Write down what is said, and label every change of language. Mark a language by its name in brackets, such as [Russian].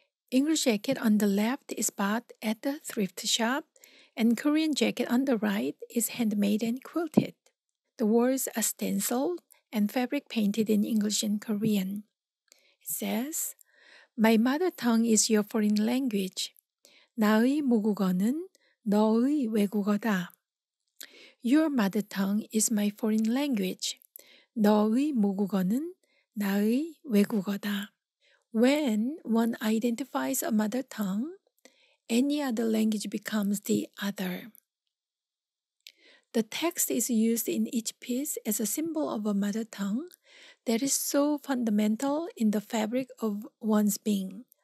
[English] English jacket on the left is bought at the thrift shop, and Korean jacket on the right is handmade and quilted. The words are stenciled and fabric painted in English and Korean. It says, "My mother tongue is your foreign language. [Korean] 나의 모국어는 너의 외국어다. [English] Your mother tongue is my foreign language. [Korean] 너의 모국어는 나의 외국어다." [English] When one identifies a mother tongue, any other language becomes the other. The text is used in each piece as a symbol of a mother tongue that is so fundamental in the fabric of one's being.